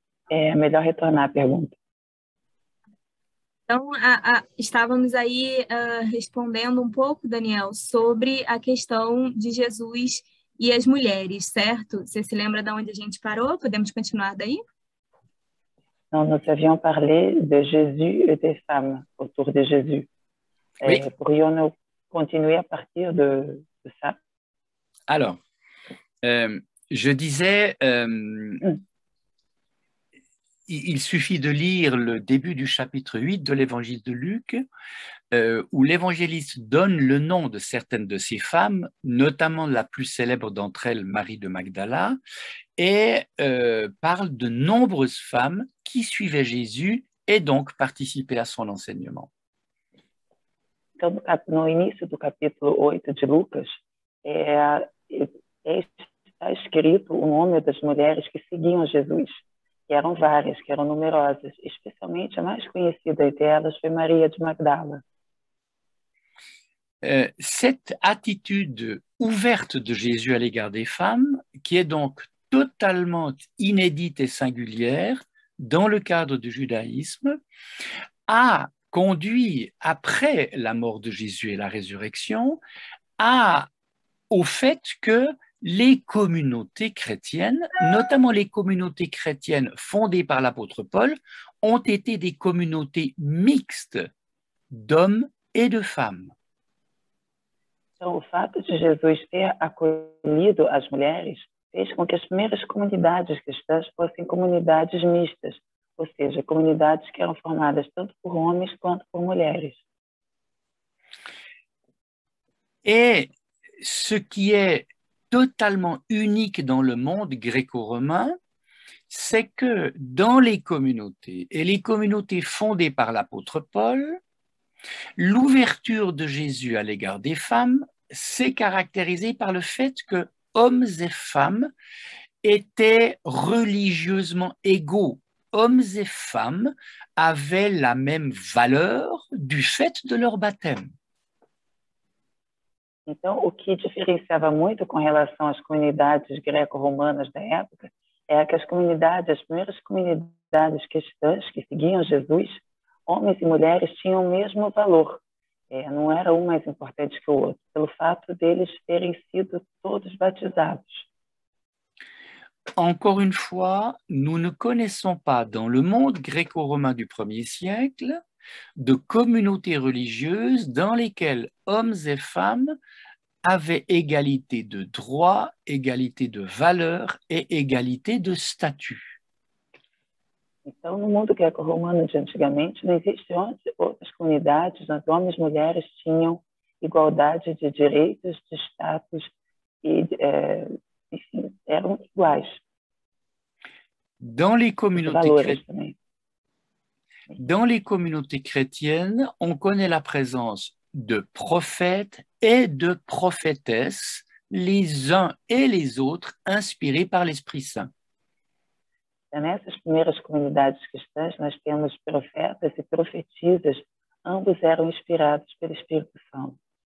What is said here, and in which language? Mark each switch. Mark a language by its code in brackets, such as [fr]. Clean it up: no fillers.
[pt] É melhor retornar a pergunta. Então, estávamos aí respondendo um pouco, Daniel, sobre a questão de Jesus e as mulheres, certo? Você se lembra de onde a gente parou? Podemos continuar daí? [fr] Donc, nous avions parlé de Jésus et des femmes autour de Jésus. Oui. Pourrions-nous continuer à partir de ça? Alors, je disais, il suffit de lire le début du chapitre 8 de l'évangile de Luc, où l'évangéliste donne le nom de certaines de ces femmes, notamment la plus célèbre d'entre elles, Marie de Magdala, et parle de nombreuses femmes qui suivaient Jésus et donc participaient à son enseignement. [pt] Donc, no início do capítulo 8 de Lucas, está escrito o nome das mulheres que seguiam Jesus, que eram várias, que eram numerosas, especialmente a mais conhecida delas foi Maria de Magdala. [fr] Cette attitude ouverte de Jésus à l'égard des femmes, qui est donc totalement inédite et singulière dans le cadre du judaïsme, a conduit, après la mort de Jésus et la résurrection, au fait que les communautés chrétiennes, notamment les communautés chrétiennes fondées par l'apôtre Paul, ont été des communautés mixtes d'hommes et de femmes. [pt] Então, o fato de Jesus ter acolhido as mulheres fez com que as primeiras comunidades cristãs fossem comunidades mistas, ou seja, comunidades que eram formadas tanto por homens quanto por mulheres. [fr] E ce qui est totalement unique dans le monde gréco-romain, c'est que dans les communautés, et les communautés fondées par l'apôtre Paul, l'ouverture de Jésus à l'égard des femmes s'est caractérisée par le fait que hommes et femmes étaient religieusement égaux. Hommes et femmes avaient la même valeur du fait de leur baptême. [pt] Então, o que diferenciava muito com relação às comunidades greco-romanas da época é que as comunidades, as primeiras comunidades cristãs que seguiam Jesus, homens e mulheres tinham o mesmo valor. Não era um mais importante que o outro, pelo fato deles terem sido todos batizados. [fr] Encore une fois, nous ne connaissons pas dans le monde gréco-romain du 1er siècle de communautés religieuses dans lesquelles hommes et femmes avaient égalité de droit, égalité de valeur et égalité de statut. [pt] Então, no mundo greco-romano de antigamente, não existiam outras comunidades onde homens e mulheres tinham igualdade de direitos, de status e enfim, eram iguais. [fr] Dans les communautés [pt] valores cré... também. [fr] Dans les communautés chrétiennes, on connaît la présence de prophètes et de prophétesses, les uns et les autres inspirés par l'Esprit Saint. Dans ces premières communautés chrétiennes, nous avons prophètes et prophétises, [pt] ambos eram inspirados pelo Espírito Santo.